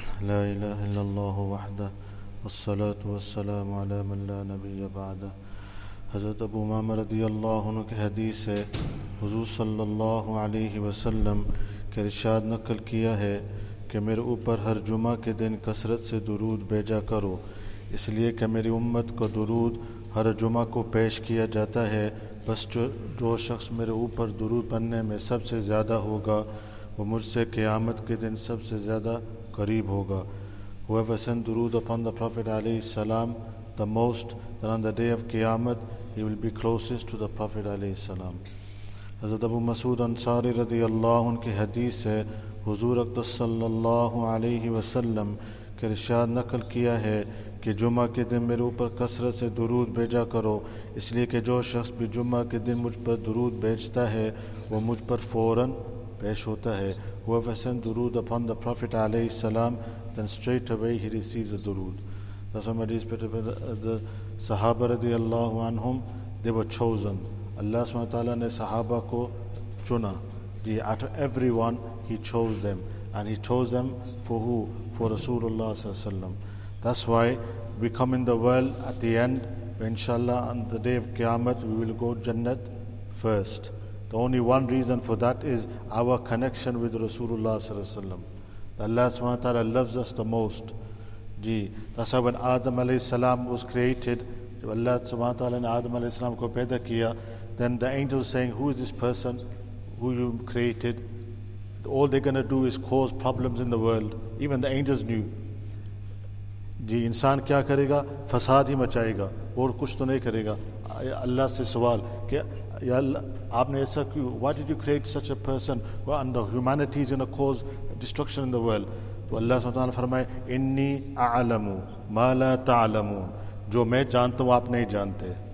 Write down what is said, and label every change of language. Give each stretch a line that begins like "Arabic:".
Arabic: لا إله إلا الله وحده، والصلاة والسلام على من لا نبي بعده.
Urdu: حضرت ابو امامہ رضی اللہ عنہ کے حدیث ہے، حضور صلی اللہ علیہ وسلم کے ارشاد نقل کیا ہے کہ میرے اوپر ہر جمعہ کے دن کثرت سے درود بھیجا کرو، اس لیے کہ میری امت کو درود ہر جمعہ کو پیش کیا جاتا ہے. بس جو شخص میرے اوپر درود پڑھنے میں سب سے زیادہ ہوگا، وہ مجھ سے قیامت کے دن سب سے زیادہ قریب ہوگا.
English: Whoever send درود upon the Prophet علیہ السلام the most, then on the day of قیامت he will be closest to the Prophet علیہ السلام.
Urdu: حضرت ابو مسعود انصاری رضی اللہ عنہ کی حدیث ہے، حضور اقدس صلی اللہ علیہ وسلم کے ارشاد نقل کیا ہے کہ جمعہ کے دن میرے اوپر کثرت سے درود بھیجا کرو، اس لیے کہ جو شخص بھی جمعہ کے دن مجھ پر درود بھیجتا ہے وہ مجھ پر فوراً پیش ہوتا ہے.
English: Whoever sends درود upon the Prophet علیہ السلام then straight away he receives a درود. That's why my dear brethren, the صحابہ رضی اللہ عنہم they were chosen.
Urdu: اللہ سبحانہ تعالیٰ نے صحابہ کو چنا.
English: Out of everyone he chose them, and he chose them for who? For رسول اللہ صلی اللہ علیہ وسلم. That's why we come in the world at the end, inshallah on the day of Qiyamah we will go Jannat first. The only one reason for that is our connection with Rasulullah sallallahu alaihi wasallam. Allah subhanahu wa ta'ala loves us the most. That's why when Adam alayhi salam was created, Allah subhanahu wa ta'ala and Adam alayhi salam
Urdu: ko paida kiya,
English: then the angel is saying, who is this person who you created? All they're going to do is cause problems in the world. Even the angels knew.
Urdu: انسان کیا کرے گا؟ فساد ہی مچائے گا، اور کچھ تو نہیں کرے گا. اللہ سے سوال کہ یا اللہ آپ نے ایسا کیوں،
English: why did you create such a person and the humanity is going to cause destruction in the world؟
Urdu: تو اللہ سبحانہ وتعالیٰ فرمائے
Arabic: انی اعلم ما لا تعلمون،
Urdu: جو میں جانتا ہوں آپ نہیں جانتے.